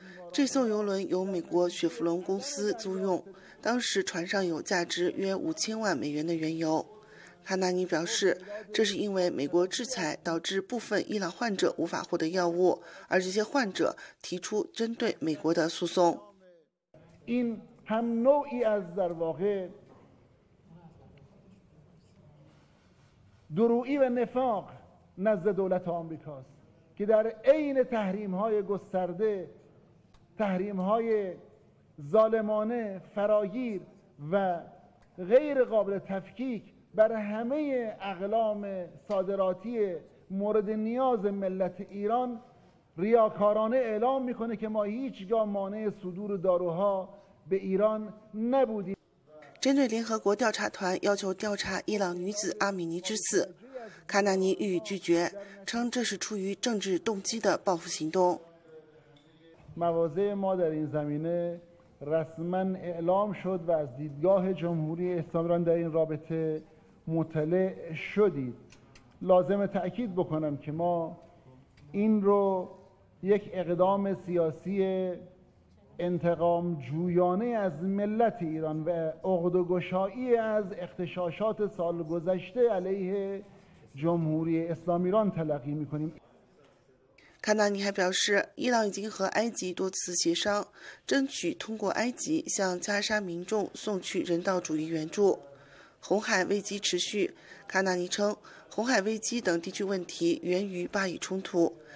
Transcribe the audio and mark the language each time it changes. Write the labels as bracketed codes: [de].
[zh] 这艘邮轮由美国雪佛龙公司租用，当时船上有价值约5000万美元的原油。卡纳尼表示，这是因为美国制裁导致部分伊朗患者无法获得药物，而这些患者提出针对美国的诉讼。 [fa] هم نوعی از در واقع درویی و نفاق نزد دولت آمریکاست که در عین تحریم‌های گسترده تحریم‌های ظالمانه فراگیر و غیر قابل تفکیک بر همه اقلام صادراتی مورد نیاز ملت ایران ریاکارانه اعلام می‌کنه که ما هیچگاه مانع صدور داروها [zh] 针对联合国调查团要求调查伊朗女子阿米尼之死，卡纳尼予以拒绝，称这是出于政治动机的报复行动。 [fa] مواضع ما در این زمینه رسماً اعلام شد و از دیدگاه جمهوری اسلامی در این رابطه مطلع شدید. لازم تأکید بکنم که ما این رو یک اقدام سیاسی انتقام جویانه از ملت ایران و عقده گشایی از اختشاشات سال گذشته علیه جمهوری اسلامی ایران تلقی میکنیم. [zh] 卡纳尼还表示，伊朗已经和埃及多次协商，争取通过埃及向加沙民众送去人道主义援助。红海危机持续，卡纳尼称，红海危机等地区问题源于巴以冲突。